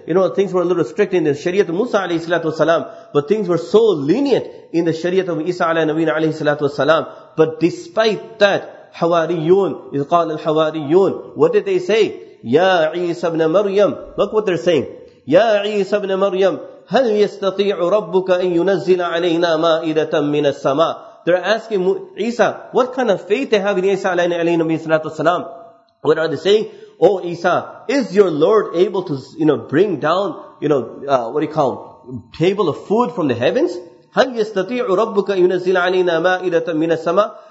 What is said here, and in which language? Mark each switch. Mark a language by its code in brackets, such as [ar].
[en] You know, things were a little strict in the Shariat of Musa alayhi salatu wasalam, but things were so lenient in the Shariat of Isa alayhi nabiyyin alayhi salatu wasalam. But despite that, Hawariyun, [ar] إِذْ قَالَ الْحَوَارِيُّونَ, [en] what did they say? Ya Isa ibn Maryam, look what they're saying. [ar] Ya Isa ibn Maryam, هَلْ يَسْتَطِيعُ رَبُّكَ أَن يُنَزِّلَ عَلَيْنَا مَائِدَةً مِنَ السَّمَاءِ. [en] They're asking Isa, what kind of faith they have in Isa alayhi nabiyyin salatu wasalam. What are they saying? Oh, Isa, is your Lord able to, you know, bring down, you know, what do you call, table of food from the heavens? [ar] هَلْ يَسْتَطِيعُ رَبُّكَ يُنَزِّلْ عَلَيْنَا مَائِدَةً مِنَ السَّمَاءِ.